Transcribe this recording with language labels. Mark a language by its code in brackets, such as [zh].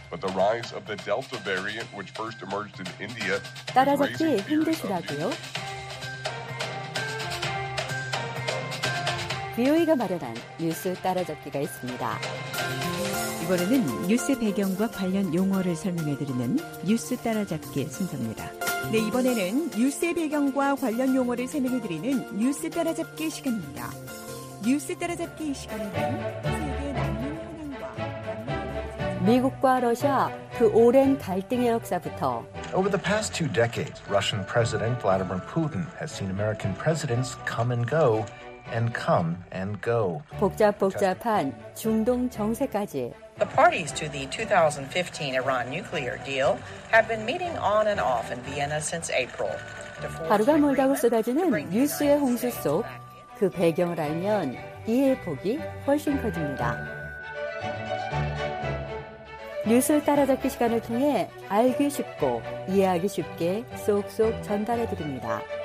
[en] But the rise of the Delta variant, which first emerged in India, [ko] 따라잡기 힘드시다고요? 비오이가 마련한 뉴스 따라잡기가 있습니다. 이번에는 뉴스 배경과 관련 용어를 설명해드리는 뉴스 따라잡기 순서입니다. 네, 이번에는 뉴스의 배경과 관련 용어를 설명해드리는 뉴스 따라잡기 시간입니다. 뉴스 따라잡기 시간에는 세계 난민 현황과 미국과 러시아 그 오랜 갈등의 역사부터 [en] Over the past two decades, Russian President Vladimir Putin has seen American presidents come and go and come and go. [ko] 복잡복잡한 중동 정세까지 [en] The parties to the 2015 Iran nuclear deal have been meeting on and off in Vienna since April. [ko] 하루가 멀다고 쏟아지는 뉴스의 홍수 속 그 배경을 알면 이해의 폭이 훨씬 커집니다. 뉴스 따라잡기 시간을 통해 알기 쉽고 이해하기 쉽게 쏙쏙 전달해 드립니다.